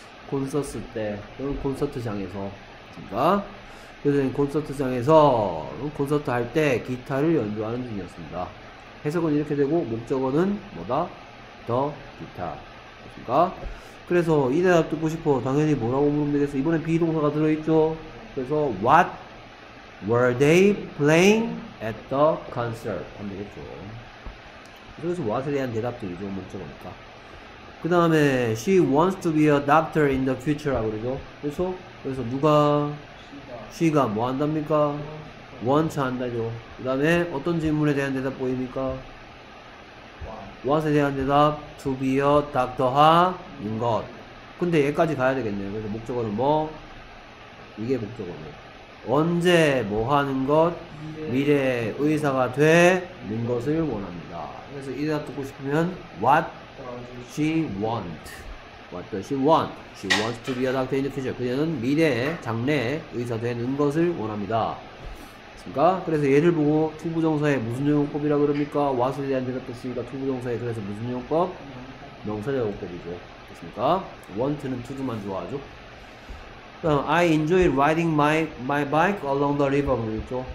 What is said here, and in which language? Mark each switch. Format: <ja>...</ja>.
<ko>콘서트 때, 콘서트장에서. 그니까, 그래서 콘서트장에서 콘서트 할때 기타를 연주하는 중이었습니다. 해석은 이렇게 되고, 목적어는 뭐다? 더 기타. 그니까, 그래서 이 대답 듣고 싶어. 당연히 뭐라고 물으면 되겠어. 이번에 비동사가 들어있죠? 그래서,</ko> <en>what were they playing at the concert?</en> <ko>하면 되겠죠. 그래서 what에 대한 대답들이죠. 목적어니까. 그 다음에</ko> <en>she wants to be a doctor in the future라고</en> <ko>그러죠. 그래서 누가 she가 뭐 한답니까? wants 한다죠. 그 다음에 어떤 질문에 대한 대답 보입니까?</ko> <en>what</en> <ko>에 대한 대답</ko> <en>to be a doctor</en> <ko>하는 것. 근데 얘까지 가야 되겠네요. 그래서 목적어는 뭐? 이게 목적어고. 언제 뭐 하는 것? 미래의 의사가 되는 것을 원합니다. 그래서 이 대답 듣고 싶으면</ko> <en>what she want? What does she want? She wants to be a doctor in the future.</en> <ko>그녀는 미래에, 장래에 의사 되는 것을 원합니다. 그니까 그래서 얘를 보고 투부정사에 무슨 용법이라 그럽니까? what에 대한 대답도 있으니까 투부정사에 그래서 무슨 용법? 명사제용법이죠. 그렇습니까? want는 to도만 좋아하죠. 그럼</ko> <en>I enjoy riding my bike along the river</en> <ko>그랬죠.</ko>